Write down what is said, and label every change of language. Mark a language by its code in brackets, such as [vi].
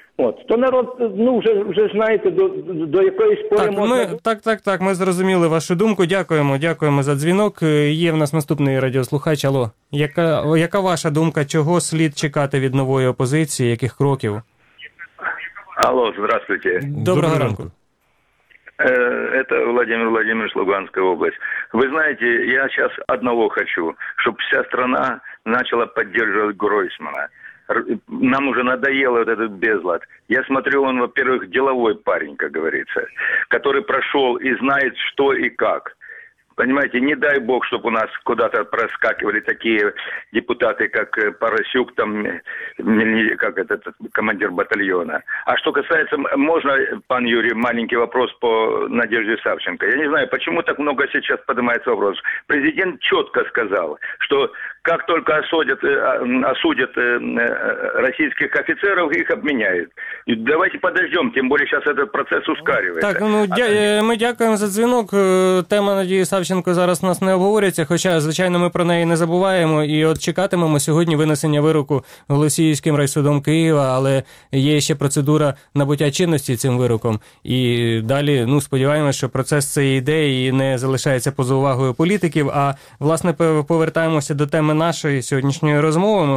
[uk] От, то народ, ну, вже знаєте, до якоїсь пори можна... Так, ми зрозуміли вашу думку, дякуємо за дзвінок. Є в нас наступний радіослухач, алло. Яка ваша думка, чого слід чекати від нової опозиції, яких кроків? [ru] Алло, здравствуйте. [uk] Доброго ранку. [ru] Это Владимир Владимирович, Луганская область. Вы знаете, я сейчас одного хочу, чтобы вся страна начала поддерживать Гройсмана. Нам уже надоело вот этот безлад. Я смотрю, он, во-первых, деловой парень, как говорится, который прошел и знает, что и как. Понимаете, не дай бог, чтобы у нас куда-то проскакивали такие депутаты, как Поросюк, там, как этот командир батальона. А что касается, можно, пан Юрий, маленький вопрос по Надежде Савченко? Я не знаю, почему так много сейчас поднимается вопрос. Президент четко сказал, что как только осудят российских офицеров, их обменяют. И давайте подождем, тем более сейчас этот процесс ускаривается. [uk] Так, ну, мы дякуем за звонок. Тема Надежды Савченко зараз у нас не обговорюється, хоча, звичайно, ми про неї не забуваємо, і от чекатимемо сьогодні винесення вироку Голосіївським райсудом Києва, але є ще процедура набуття чинності цим вироком, і далі, ну, сподіваємось, що процес цієї ідеї не залишається поза увагою політиків, а, власне, повертаємося до теми нашої сьогоднішньої розмови.